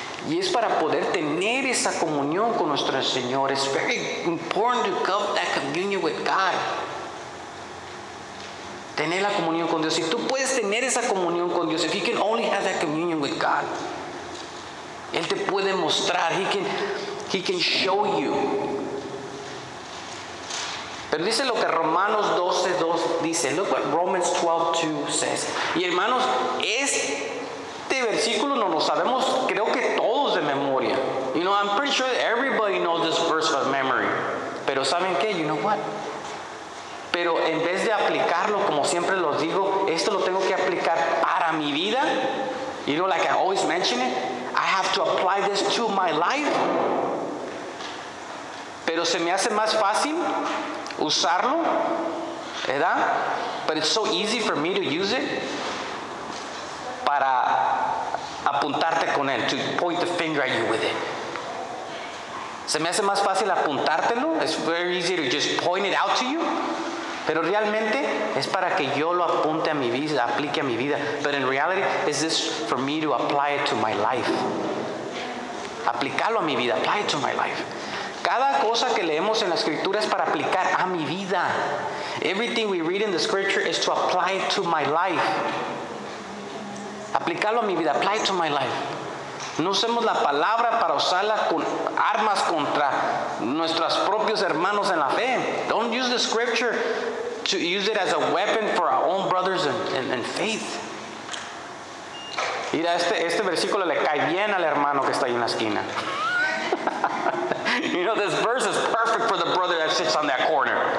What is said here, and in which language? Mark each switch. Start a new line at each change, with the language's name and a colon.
Spanish: Y es para poder tener esa comunión con nuestro Señor.
English: It's very important to have that communion with God.
Spanish: Tener la comunión con Dios. Si tú puedes tener esa comunión con Dios,
English: if you can only have that communion with God,
Spanish: Él te puede mostrar.
English: He can show you.
Spanish: Pero dice lo que Romanos 12:2 dice.
English: Look what Romans 12:2 says.
Spanish: Y hermanos, este versículo no lo sabemos, creo que todos de memoria.
English: You know, I'm pretty sure everybody knows this verse by memory.
Spanish: Pero ¿saben qué?
English: You know what?
Spanish: Pero en vez de aplicarlo, como siempre los digo, esto lo tengo que aplicar para mi vida.
English: You know, like I always mention it, I have to apply this to my life.
Spanish: Pero se me hace más fácil usarlo, ¿verdad?
English: But it's so easy for me to use it
Spanish: para apuntarte con él,
English: to point the finger at you with it.
Spanish: Se me hace más fácil apuntártelo.
English: It's very easy to just point it out to you.
Spanish: Pero realmente es para que yo lo apunte a mi vida, aplique a mi vida.
English: But in reality, is this for me to apply it to my life?
Spanish: Aplicarlo a mi vida,
English: apply it to my life.
Spanish: Cada cosa que leemos en la Escritura es para aplicar a mi vida.
English: Everything we read in the Scripture is to apply it to my life.
Spanish: Aplicarlo a mi vida,
English: apply it to my life.
Spanish: No usemos la palabra para usarla con armas contra nuestros propios hermanos en la fe.
English: Don't use the Scripture to use it as a weapon for our own brothers in faith.
Spanish: Mira, este versículo le cae bien al hermano que está ahí en la esquina.
English: You know, this verse is perfect for the brother that sits on that corner.